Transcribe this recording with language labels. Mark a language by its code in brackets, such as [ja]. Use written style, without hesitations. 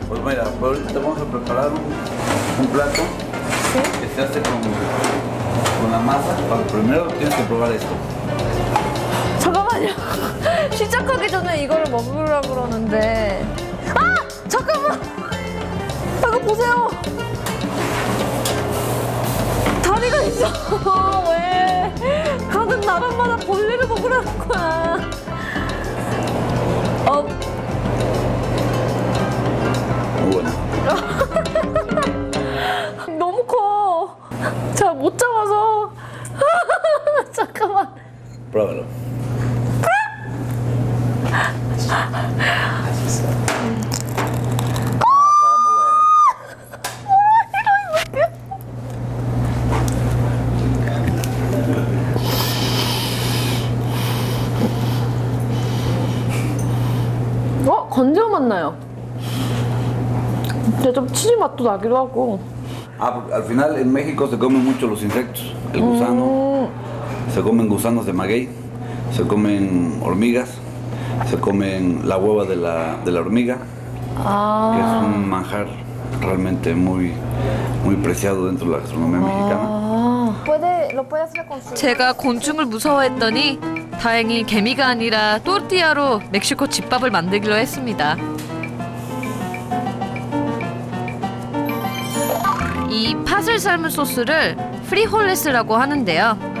[es] Pues mira, ahorita vamos a preparar un plato que se hace con la masa. Pero primero tienes que probar esto. [ko] 잠깐만요. 시작하기 전에 이걸 먹으려고 그러는데. 아! 잠깐만! 이거 보세요! 다리가 있어! 왜? 가는 나라마다 벌레를 먹으라는 거야. 너무 커. 제가 못 잡아서. 잠깐만. 브라보. 건져 맞나요? 근데 좀 치즈 맛도 나기도 하고. [es] 아, al final en México se comen mucho los insectos, el gusano, se comen gusanos de maguey, se comen hormigas, se comen la hueva de la hormiga, que es un manjar realmente muy muy preciado dentro de la gastronomía mexicana. lo puede hacer con su. [ko] 제가 곤충을 무서워했더니. 다행히 개미가 아니라 토르티야로 멕시코 집밥을 만들기로 했습니다. 이 팥을 삶은 소스를 프리홀레스라고 하는데요.